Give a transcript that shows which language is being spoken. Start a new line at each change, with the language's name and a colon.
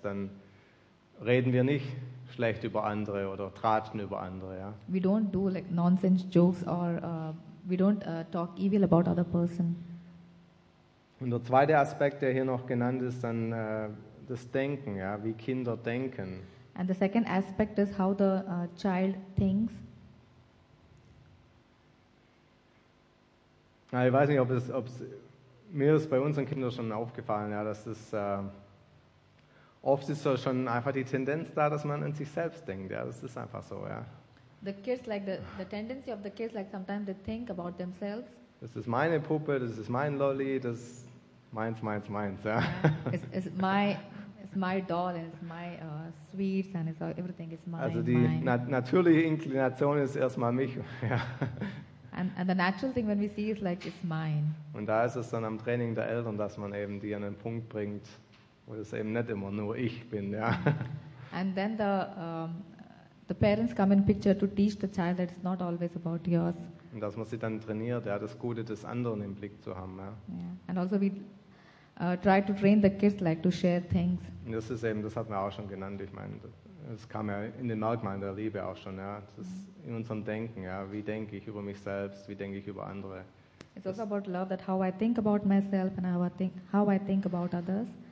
German: Dann reden wir nicht schlecht über andere oder tratschen über andere. Ja.
English: We don't do like nonsense jokes or we don't talk evil about other person.
German: Und der zweite Aspekt, der hier noch genannt ist, dann das Denken, ja, wie Kinder denken.
English: And the second aspect is how the child thinks.
German: Ja, ich weiß nicht, ob es mir ist bei unseren Kindern schon aufgefallen, ja, dass es oft ist so schon einfach die Tendenz da, dass man an sich selbst denkt, ja, das ist einfach so, ja.
English: The kids like the tendency of the kids like sometimes they think about themselves.
German: Das ist meine Puppe, das ist mein Lolli, das ist meins, ja.
English: Yeah. It's my doll, it's my sweets and it's all, everything is mine.
German: Also die
English: mine.
German: Natürliche Inklination ist erstmal mich, ja.
English: And the natural thing when we see is like it's mine.
German: Und da ist es dann am Training der Eltern, dass man eben die an den Punkt bringt, wo es eben nicht immer nur ich bin, ja.
English: And then the parents come in picture to teach the child that it's not always about yours.
German: Und dass man sie dann trainiert, ja, das Gute des anderen im Blick zu haben, ja.
English: Yeah. And also we try to train the kids like to share things.
German: Und das ist eben, das hat man auch schon genannt. Ich meine, das kam ja in den Merkmalen der Liebe auch schon, ja. Das ist in unserem Denken, ja. Wie denke ich über mich selbst? Wie denke ich über andere?
English: It's also about love, that how I think about myself and how I think about others.